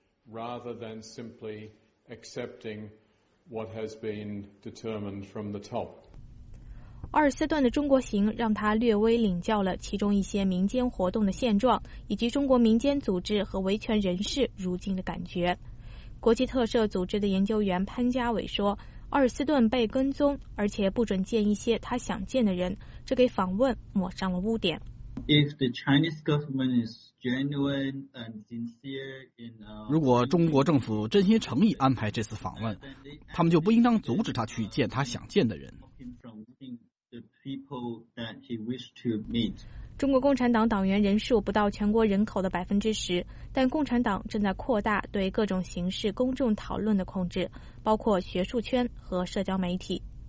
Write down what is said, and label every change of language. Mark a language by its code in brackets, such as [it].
[en] Rather than simply accepting what has been determined from the top. [zh] 奥尔斯顿的中国行让他略微领教了其中一些民间活动的现状，以及中国民间组织和维权人士如今的感觉。国际特赦组织的研究员潘家伟说，奥尔斯顿被跟踪，而且不准见一些他想见的人，这给访问抹上了污点。 [en] If the Chinese government is genuine and sincere in, [zh] 如果中国政府真心诚意安排这次访问，他们就不应当阻止他去见他想见的人。中国共产党党员人数不到全国人口的10%，但共产党正在扩大对各种形式公众讨论的控制，包括学术圈和社交媒体。